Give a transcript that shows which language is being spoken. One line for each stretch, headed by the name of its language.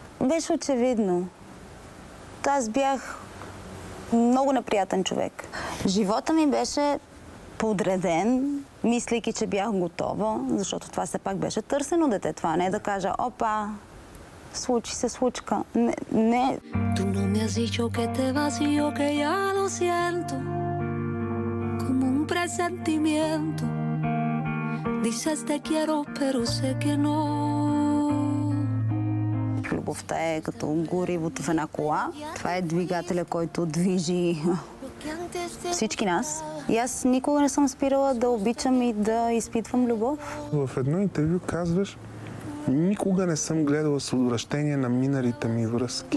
Bulgarian: Беше очевидно. Аз бях много неприятен човек. Живота ми беше подреден, мислейки, че бях готова, защото това все пак беше търсено дете. Това не е да кажа, опа, случи се, случка. Не, не.
Spanish: Tú no me has dicho que te vas y yo que ya lo siento como un presentimiento. Dices te quiero, pero sé que no.
Bulgarian: Любовта е като горивото в една кола. Това е двигателя, който движи всички нас. И аз никога не съм спирала да обичам и да изпитвам любов. В едно интервю казваш, никога не съм гледала с отвращение на миналите ми връзки.